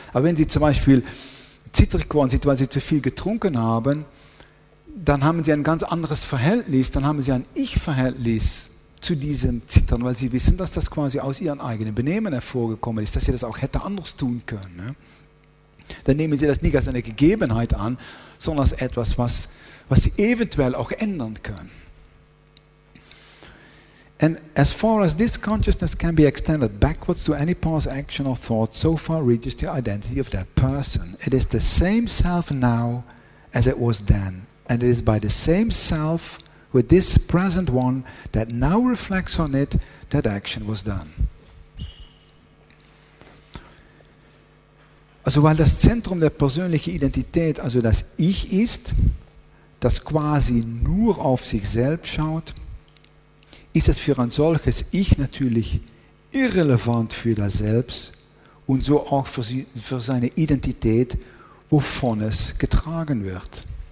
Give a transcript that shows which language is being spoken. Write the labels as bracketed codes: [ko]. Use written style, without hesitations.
[de] Aber wenn Sie zum Beispiel zittrig geworden sind, weil Sie zu viel getrunken haben, dann haben Sie ein ganz anderes Verhältnis, dann haben Sie ein Ich-Verhältnis zu diesem Zittern, weil Sie wissen, dass das quasi aus Ihrem eigenen Benehmen hervorgekommen ist, dass Sie das auch hätte anders tun können. Ne? Dann nehmen Sie das nicht als eine Gegebenheit an, sondern als etwas, was Sie eventuell auch ändern können. [en] And as far as this consciousness can be extended backwards to any past action or thought, so far reaches the identity of that person. It is the same self now as it was then. And it is by the same self with this present one that now reflects on it that action was done. [de] Also weil das Zentrum der persönlichen Identität, also das Ich ist, das quasi nur auf sich selbst schaut, ist es für ein solches Ich natürlich irrelevant für das Selbst und so auch für seine Identität, wovon es getragen wird.